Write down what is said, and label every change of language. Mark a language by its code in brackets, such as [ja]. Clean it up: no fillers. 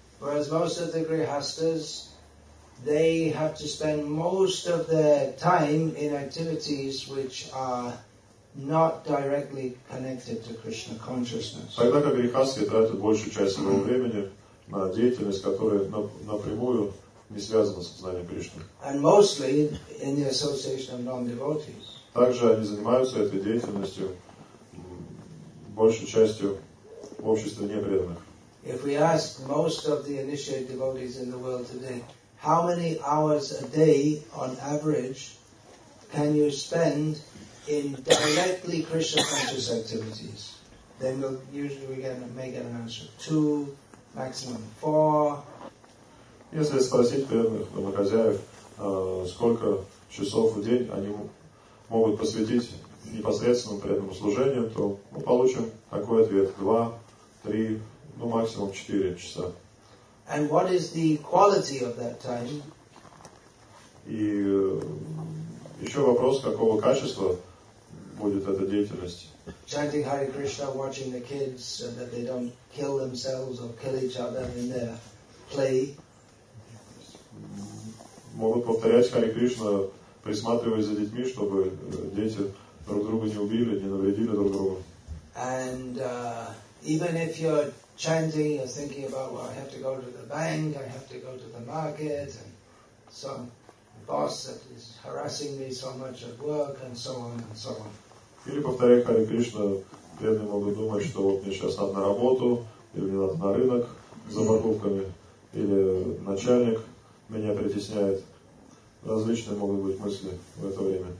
[en] Whereas most of the grihasthas, they have to spend most of their time in activities which are not directly connected to Krishna consciousness. [ru] Тогда как грихасты тратят большую часть своего времени на деятельность, которая напрямую не связано с сознанием Кришны. [en] And mostly in the association of non-devotees. [ru] Также они занимаются этой деятельностью большей частью в обществе непреданных. [en] If we ask most of the initiated devotees in the world today, how many hours a day on average can you spend in directly Krishna conscious activities? Then we may get an answer. 2, maximum 4. [ru] Если спросить преданных домохозяев, сколько часов в день они могут посвятить непосредственному преданному служению, то мы получим такой ответ: 2, 3, ну максимум 4 часа. [en] And what is the quality of that time? [ru] И еще вопрос, какого качества будет эта деятельность? [en] Chanting Hare Krishna, watching the kids so that they don't kill themselves or kill each other in their play. [ru] Могут повторять Хари Кришна, присматривая за детьми, чтобы дети друг друга не убили, не навредили друг другу. [en] And even if you're chanting, you're thinking about, well, I have to go to the bank, I have to go to the market, and some boss that is harassing me so much at work, and so on and so on. [ru] Или повторяя Хари Кришна, преданные могут думать, что вот мне сейчас надо на работу, или мне надо на рынок за покупками, или начальник меня притесняет. Различные могут быть мысли в это время.